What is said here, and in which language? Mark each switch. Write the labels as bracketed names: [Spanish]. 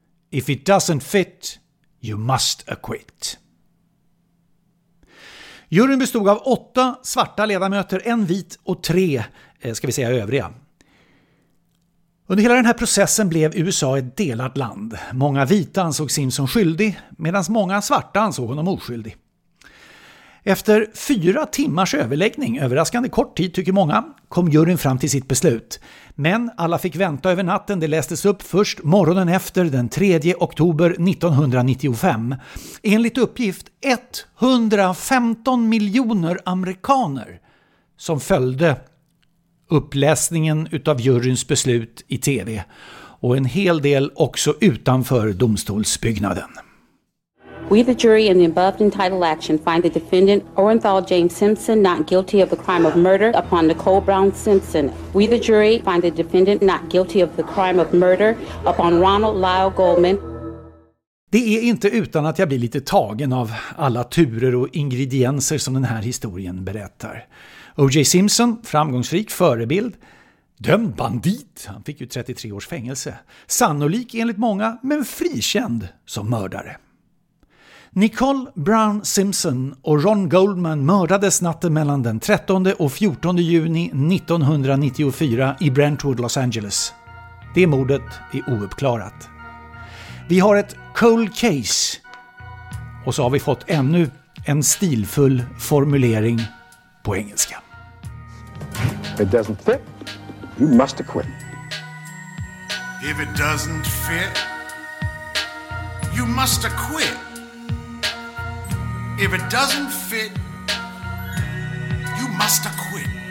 [English] If it doesn't fit, you must acquit. [Swedish] Juryn bestod av 8 svarta ledamöter, 1 vit och 3, ska vi säga, övriga. Under hela den här processen blev USA ett delat land. Många vita ansåg Simpson skyldig, medan många svarta ansåg honom oskyldig. Efter 4 timmars överläggning, överraskande kort tid tycker många, kom juryn fram till sitt beslut. Men alla fick vänta över natten, det lästes upp först morgonen efter den 3 oktober 1995. Enligt uppgift 115 miljoner amerikaner som följde uppläsningen utav juryns beslut i tv. Och en hel del också utanför domstolsbyggnaden. [English] We the jury in the above entitled action find the defendant Orenthal James Simpson not guilty of the crime of murder upon Nicole Brown Simpson. We the jury find the defendant not guilty of the crime of murder upon Ronald Lyle Goldman. [Swedish] Det är inte utan att jag blir lite tagen av alla turer och ingredienser som den här historien berättar. O.J. Simpson, framgångsrik förebild, dömd bandit, han fick ju 33 års fängelse, sannolik enligt många men frikänd som mördare. Nicole Brown Simpson och Ron Goldman mördades natten mellan den 13 och 14 juni 1994 i Brentwood, Los Angeles. Det mordet är ouppklarat. Vi har ett cold case och så har vi fått ännu en stilfull formulering på engelska. [English] It doesn't fit, you must acquit. If it doesn't fit, you must acquit. If it doesn't fit, you must acquit.